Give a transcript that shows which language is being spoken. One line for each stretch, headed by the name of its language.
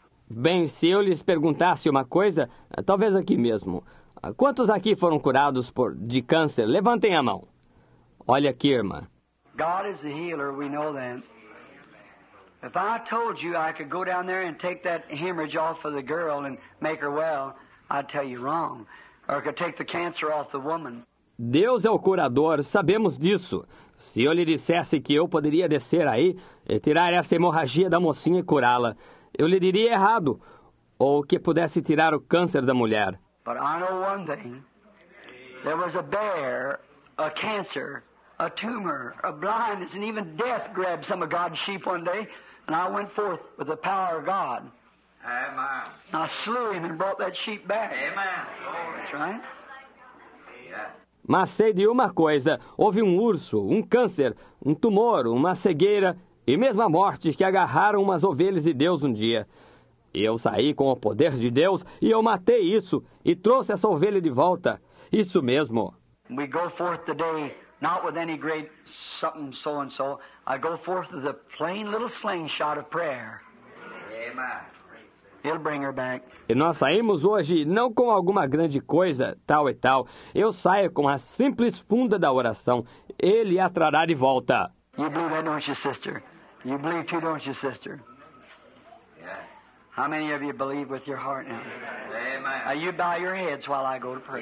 Portuguese: Bem, se eu lhes perguntasse uma coisa, talvez aqui mesmo. Quantos aqui foram curados de câncer? Levantem a mão. Olha aqui, irmã.
English: God is the healer, we know that. If I told you I could go down there and take that hemorrhage off of the girl and make her well, I'd tell you wrong. Or I could take the cancer off the woman.
Portuguese: Deus é o curador, sabemos disso. Se eu lhe dissesse que eu poderia descer aí e tirar essa hemorragia da mocinha e curá-la, eu lhe diria errado, ou que pudesse tirar o câncer da mulher.
English: But I know one thing. There was a bear, a cancer, a tumor, a blindness, and even death grabbed some of God's sheep one day, and I went forth with the power of God. Amen. And I slew him and brought that sheep back. Amen. That's right.
Portuguese: Mas sei de uma coisa, houve um urso, um câncer, um tumor, uma cegueira e mesmo a morte que agarraram umas ovelhas de Deus um dia. E eu saí com o poder de Deus e eu matei isso e trouxe essa ovelha de volta. Isso mesmo.
English: We go forth today, not with any great something so and so. I go forth with a plain little slingshot of prayer. Amen. He'll bring her back.
Portuguese: E nós saímos hoje não com alguma grande coisa, tal e tal. Eu saio com a simples funda da oração. Ele a trará de volta.
English: You believe that, don't you, sister? You believe too, don't you, sister? Yes. How many of you believe with your heart now? Amen. You bow your heads while I go to pray.